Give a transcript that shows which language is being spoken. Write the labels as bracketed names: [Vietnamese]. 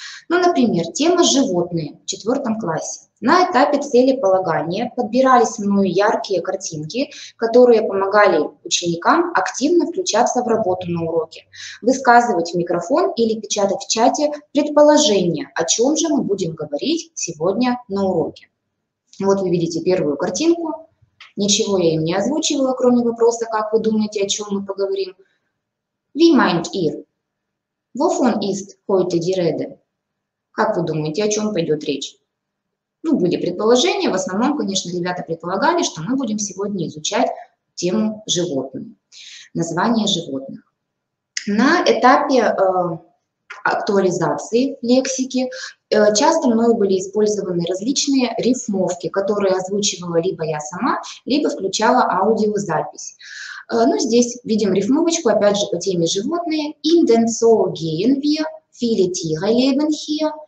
[Russian] Ну, например, тема «Животные» в 4 классе. На этапе целеполагания подбирались мною яркие картинки, которые помогали ученикам активно включаться в работу на уроке, высказывать в микрофон или печатать в чате предположения, о чем же мы будем говорить сегодня на уроке. Вот вы видите первую картинку. Ничего я им не озвучивала, кроме вопроса, как вы думаете, о чем мы поговорим. [German] Wie meint ihr? Wovon ist heute die Rede? [Russian] Как вы думаете, о чем пойдет речь? Ну, были предположения, в основном, конечно, ребята предполагали, что мы будем сегодня изучать тему животных, название животных. На этапе актуализации лексики часто мною были использованы различные рифмовки, которые озвучивала либо я сама, либо включала аудиозапись. Ну, здесь видим рифмовочку, опять же, по теме животные. [German] In den Zoo gehen wir, viele Tiere leben hier.